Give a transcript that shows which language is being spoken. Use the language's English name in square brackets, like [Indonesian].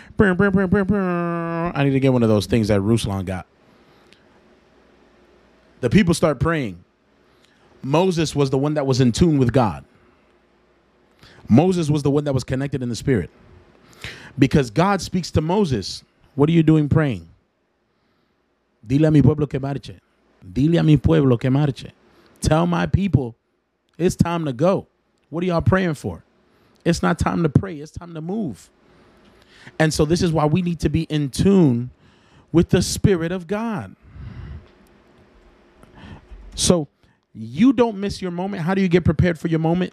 [English] I need to get one of those things that Ruslan got. The people start praying. Moses was the one that was in tune with God. Moses was the one that was connected in the spirit. Because God speaks to Moses. What are you doing praying? [Spanish] Dile a mi pueblo que marche. Dile a mi pueblo que marche. [English] Tell my people, it's time to go. What are y'all praying for? It's not time to pray. It's time to move. And so this is why we need to be in tune with the spirit of God. So, you don't miss your moment. How do you get prepared for your moment?